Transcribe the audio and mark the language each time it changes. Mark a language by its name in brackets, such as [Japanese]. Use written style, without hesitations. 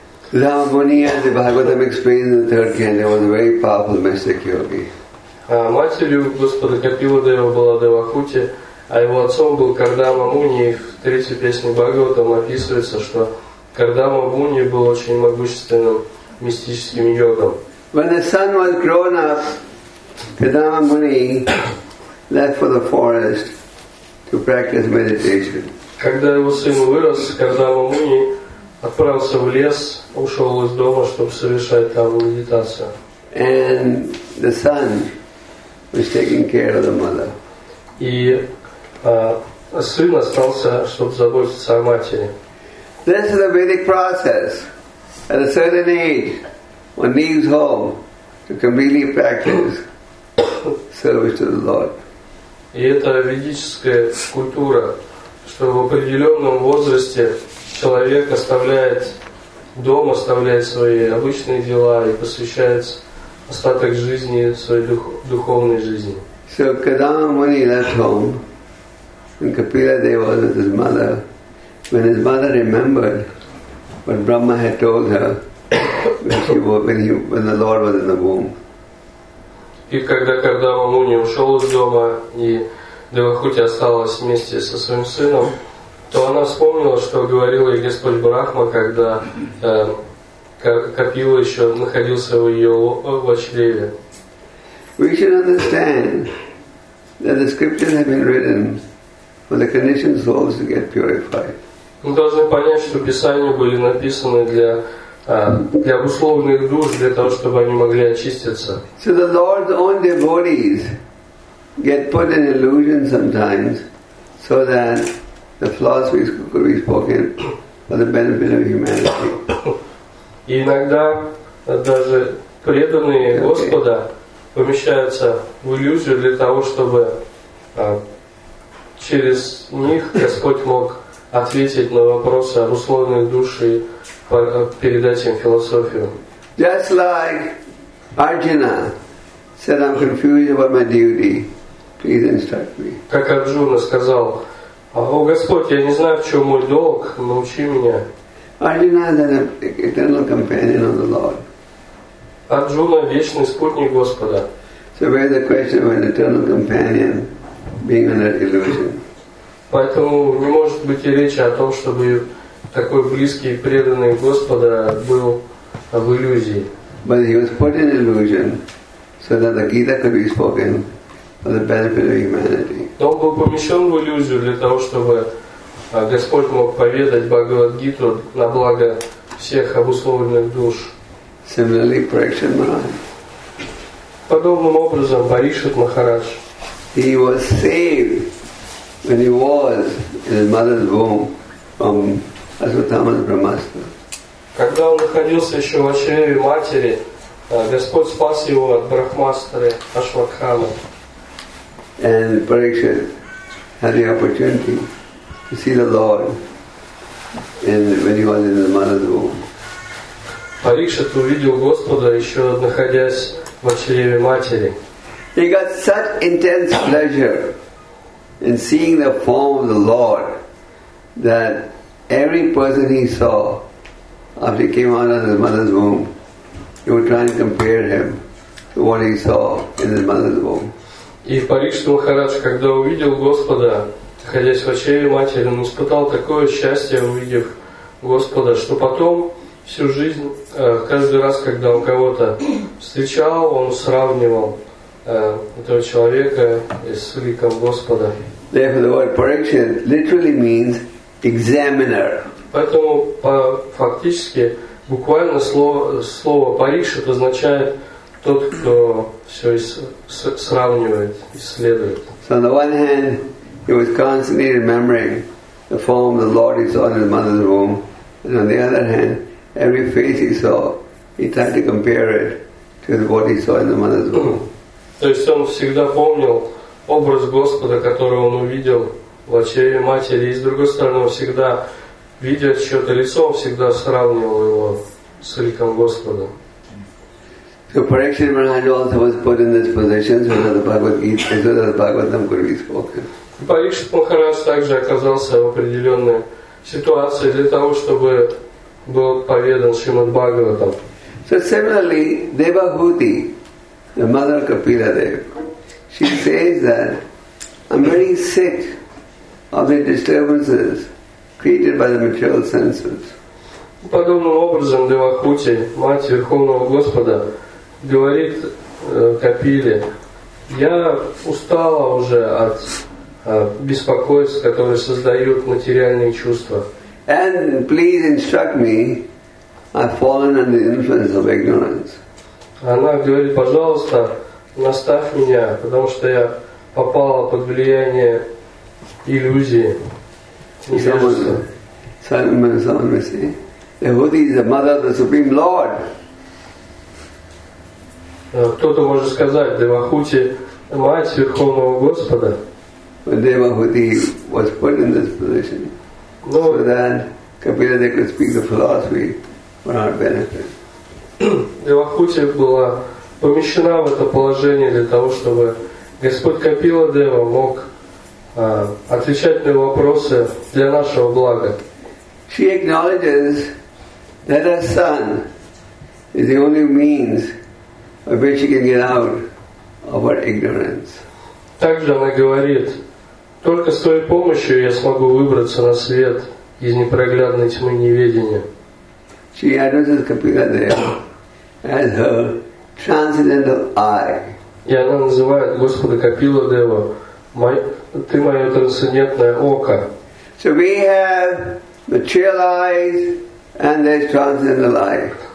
[English] Dhamma Muni, as the Bhagavatam explained in the third canto, was a very powerful mystic yogi. [Russian] Матерью Господа Капила Дева была Девахути, а его отцом был Кардама Муни. В третьей песне Бхагаватам описывается, что Кардама Муни был очень могущественным мистическим йогом. [English] When the son was grown up, Кардама Муни left for the forest to practice meditation. [Russian] Когда его сын вырос, Кардама Муни отправился в лес, ушел из дома, чтобы совершать там медитацию. [English] And the son was taking care of the mother. [Russian] И сын остался, чтобы заботиться о матери. [English] This is a Vedic process. At a certain age, one leaves home to completely practice service to the Lord. [Russian] И это ведическая культура, что в определенном возрасте человек оставляет дом, оставляет свои обычные дела и посвящает остаток жизни своей духовной жизни. [English] So Kadama Muni left home. When Kapila Dev was with his mother, when his mother remembered what Brahma had told her when the Lord was in the womb. [Russian] И когда Кардама Муни ушел из дома и Девахути осталась вместе со своим сыном, то она вспомнила, что говорил ей Господь Брахма, когда Капила еще находился в ее чреве. [English] We should understand that the scriptures have been written for the conditioned souls to get purified. [Russian] Мы должны понять, что писания были написаны для обусловленных душ, для того, чтобы они могли очиститься. [English] So the Lord's own devotees get put in illusion sometimes so that the philosophies could be spoken for the benefit of humanity. [Russian] И иногда даже преданные Господа помещаются в иллюзию для того, чтобы через них Господь мог ответить на вопросы об условной души, передать им философию. [English] Just like Arjuna said, I'm confused about my duty. Please instruct me. [Russian] Как Арджуна сказал: «О Господь, я не знаю, в чем мой долг, научи меня». [English] Arjuna is an eternal companion of the Lord. [Russian] Арджуна – вечный спутник Господа. [English] So where is the question of an eternal companion being under illusion? [Russian] Поэтому не может быть и речи о том, чтобы такой близкий и преданный Господа был в иллюзии. [English] But he was put in illusion so that the Gita could be spoken for the benefit of humanity. [Russian] Но он был помещен в иллюзию для того, чтобы Господь мог поведать Бхагавад-гиту на благо всех обусловленных душ. [English] Similarly, Parikshit Maharaj. [Russian] Подобным образом, Парикшит Махарадж. [English] He was saved when he was in his mother's womb from Ashwatthama's Brahmastra. [Russian] Когда он находился еще в чреве матери, Господь спас его от Брахмастры Ашватхамы. [English] And Parikshit had the opportunity to see the Lord and when he was in his mother's womb. [Russian] Парикшит увидел Господа еще находясь в чреве матери. [English] He got such intense pleasure in seeing the form of the Lord that every person he saw after he came out of his mother's womb, he would try and compare him to what he saw in his mother's womb. [Russian] И Парикшит Махарадж, когда увидел Господа, находясь в чреве матери, он испытал такое счастье, увидев Господа, что потом всю жизнь, каждый раз, когда он кого-то встречал, он сравнивал этого человека с ликом Господа. [English] Therefore, the word Parikshit literally means examiner. [Russian] Поэтому фактически буквально слово Парикшит означает тот, кто все сравнивает, исследует. [English] So on the one hand, he was constantly remembering the form of the Lord he saw in his mother's womb, and on the other hand, every face he saw, he tried to compare it to what he saw in the mother's womb. [Russian] То есть он всегда помнил образ Господа, который он увидел в чреве матери, и с другой стороны, он всегда, видя чье-то лицо, он всегда сравнивал его с ликом Господа. [English] So Parikshit Maharaj also was put in this position so that the Bhagavatam could be spoken. [Russian] Парикшит Махарадж также оказался в определенной ситуации для того, чтобы был поведан Шримад Бхагаватам. [English] So similarly, Devahuti, the mother of Kapila Dev, she says that I'm very sick of the disturbances created by the material senses. [Russian] Подобным образом Девахути, мать Верховного Господа, говорит Капиле: я устала уже от беспокойств, которые создают материальные чувства. [English] And please instruct me, I've fallen under the influence of ignorance. [Russian] Она говорит: пожалуйста, наставь меня, потому что я попала под влияние иллюзии. [English] Someone may say, Devahuti is the mother of the Supreme Lord. [Russian] Кто-то может сказать: Девахути – мать Верховного Господа. [English] But Devahuti was put in this position so that Kapila Dev could speak the philosophy for our benefit. [Russian] Девахути была помещена в это положение для того, чтобы Господь Капила Дева мог отвечать на вопросы для нашего блага. [English] She acknowledges that her son is the only means by which she can get out of her ignorance. [Russian] Также она говорит: только с твоей помощью я смогу выбраться на свет из непроглядной тьмы неведения. [English] She addresses Kapila Dev as her transcendental eye. [Russian] И она называет Господа Капила Дева: ты мое трансцендентное око. [English] So we have material eyes and there's transcendental eye.